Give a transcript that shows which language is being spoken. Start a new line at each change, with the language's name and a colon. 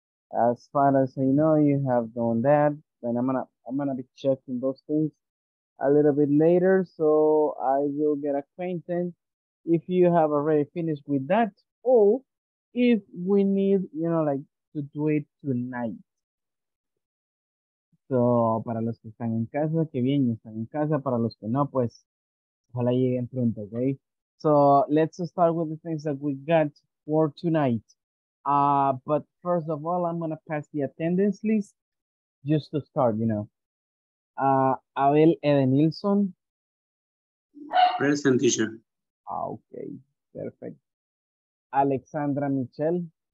English: As far as I know, you have done that. Then I'm gonna be checking those things a little bit later, so I will get acquainted if you have already finished with that or if we need, like to do it tonight.
Spanish: So, para los que están en casa, qué bien, están en casa. Para los que no, pues, ojalá lleguen pronto, okay?
English: So, let's start with the things that we got for tonight. But first of all, I'm gonna pass the attendance list just to start, you know. Abel Edenilson. Present, teacher. Okay, perfect. Alexandra Michelle.